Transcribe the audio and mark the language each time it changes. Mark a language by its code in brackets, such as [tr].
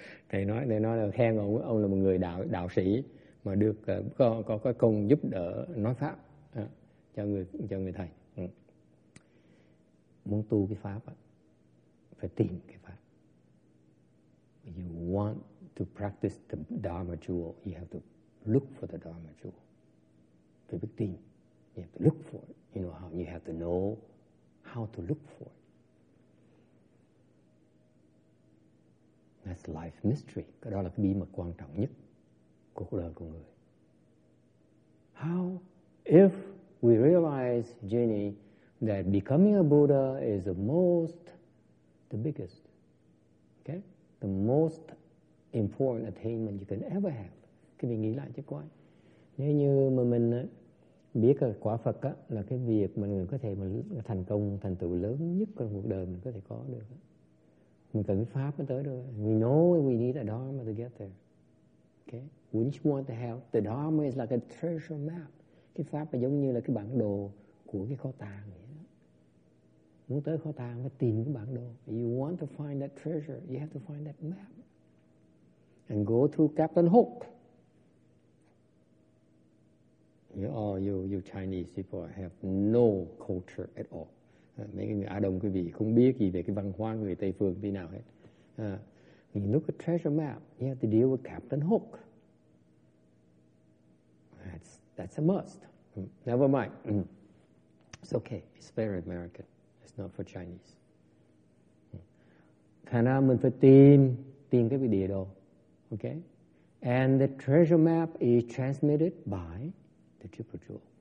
[en] They [vi] nói là khen ông là một người đạo sĩ mà được có công giúp đỡ nói pháp cho người thầy. muốn tu cái pháp á, phải tìm cái pháp. [en] You want to practice the Dharma jewel, you have to look for the Dharma jewel. [vi] Phải biết tìm. [en] You have to look for it. You know how you have to know how to look for it. That's life mystery. [vi] Cái đó là cái bí mật quan trọng nhất của cuộc đời của người. [en] How, if we realize, Jenny, that becoming a Buddha is the most, the biggest, okay? The most important attainment you can ever have. [vi] Cái mình nghĩ lại chứ coi. Nếu như mà mình biết quả Phật á, là cái việc mà người có thể mà thành công, thành tựu lớn nhất trong cuộc đời mình có thể có được. Mình cần cái pháp mới tới được. [en] We know we need a Dharma to get there. Okay? We just want to have, the Dharma is like a treasure map. [vi] Cái pháp là giống như là cái bản đồ của cái kho tàng vậy. Muốn tới kho tàng phải tìm cái bản đồ. [en] You want to find that treasure, you have to find that map. And go through Captain Hook. You all, you Chinese people have no culture at all. [vi] Mấy người Á Đông quý vị không biết gì về cái văn hóa người Tây Phương thế nào hết. [en] You look at treasure map, you have to deal with Captain Hook. That's a must. Never mind. It's okay. It's very American. It's not for Chinese. [vi] Thành ra mình phải tìm cái địa đồ. [en] Okay? And the treasure map is transmitted by the Triple Jewel.